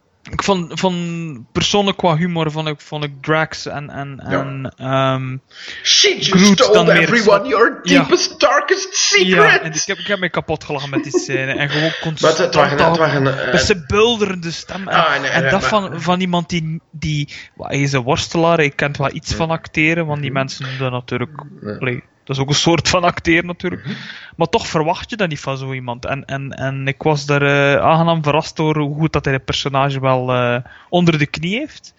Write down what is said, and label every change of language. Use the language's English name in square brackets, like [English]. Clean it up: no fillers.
[Dutch] Ik vond persoonlijk qua humor vond ik Drax Groot dan meer. [English] She just told everyone your deepest, darkest secret. [Dutch] Ja, en ik heb me kapot gelachen met die scène en gewoon constant. Met zijn bulderende stem van iemand die hij is een worstelaar. Ik kent wel iets van acteren, want die mensen doen dat natuurlijk. Dat is ook een soort van acteer natuurlijk. Maar toch verwacht je dat niet van zo iemand. En ik was daar aangenaam verrast door hoe goed dat hij het personage wel onder de knie heeft.